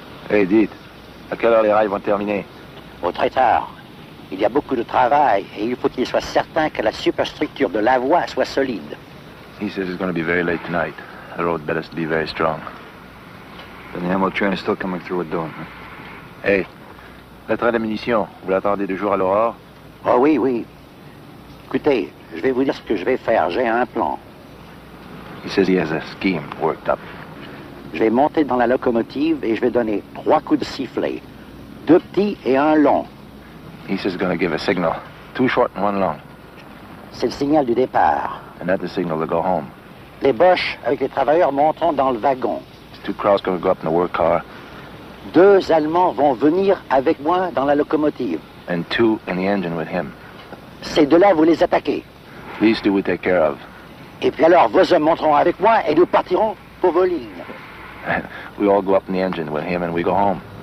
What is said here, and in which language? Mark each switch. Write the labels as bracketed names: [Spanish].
[French] Hey, dites, à quelle heure les rails vont terminer? Au très tard. Il y a beaucoup de travail et il faut qu'il soit certain que la superstructure de la voie soit solide. [English] He says it's going to be very late tonight. The road better be very strong. Then the ammo train is still coming through at dawn. [French] Hey, la train de munitions, vous l'attendez de jour à l'aurore? Oh oui, oui. Écoutez, je vais vous dire ce que je vais faire. J'ai un plan. [English] He says he has a scheme worked up. [French] Je vais monter dans la locomotive et je vais donner trois coups de sifflet. Deux petits et un long. [English] He says he's going to give a signal. Two short and one long. [French] C'est le signal du départ. [English] And that's the signal to go home. [French] Les boches avec les travailleurs monteront dans le wagon. [English] These two crowds going to go up in the work car. [French] Deux Allemands vont venir avec moi dans la locomotive. [English] And two in the engine with him. [French] Ces deux-là, vous les attaquez. [English] These two we take care of. [French] Et puis alors, vos hommes monteront avec moi et nous partirons pour vos lignes. [English] We all go up in the engine with him and we go home.